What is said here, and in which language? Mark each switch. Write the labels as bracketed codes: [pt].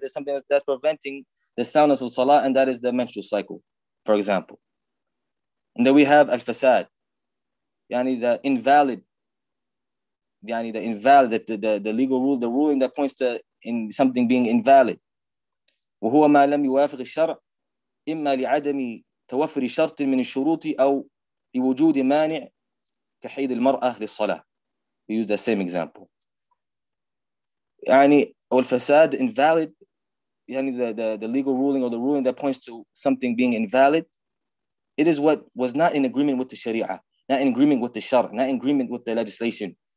[en] There's something that's preventing the soundness of salah, and that is the menstrual cycle, for example. And then we have al-fasad, yani the invalid, the legal rule, the ruling that points to in something being invalid. [ar] وهو ما لم يوافق الشرع إما لعدم توفر شرط من الشروط أو لوجود مانع كحيد المرأة للصلاة. [en] We use the same example. [ar] يعني [en] al-fasad, invalid, يعني the legal ruling or the ruling that points to something being invalid, it is what was not in agreement with the Sharia, not in agreement with the Shar, not in agreement with the legislation.